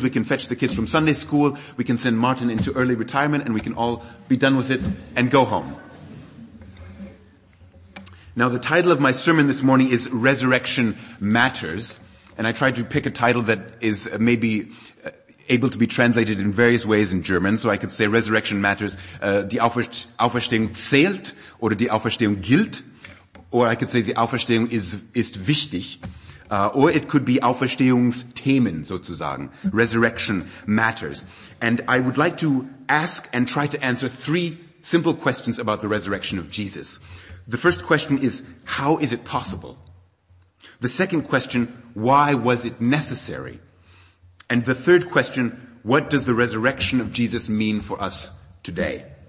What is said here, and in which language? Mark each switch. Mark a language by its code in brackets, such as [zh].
[en] We can fetch the kids from Sunday school. We can send Martin into early retirement, and we can all be done with it and go home. Now, the title of my sermon this morning is Resurrection Matters, and I tried to pick a title that is maybe able to be translated in various ways in German. So I could say resurrection matters, [de] die Auferstehung zählt, [en] or [de] die Auferstehung gilt, [en] or I could say [de] die Auferstehung ist wichtig, [en] or it could be [de] Auferstehungsthemen sozusagen, [en] resurrection matters. And I would like to ask and try to answer three simple questions about the resurrection of Jesus. The first question is, how is it possible? The second question, why was it necessary? And the third question, what does the resurrection of Jesus mean for us today?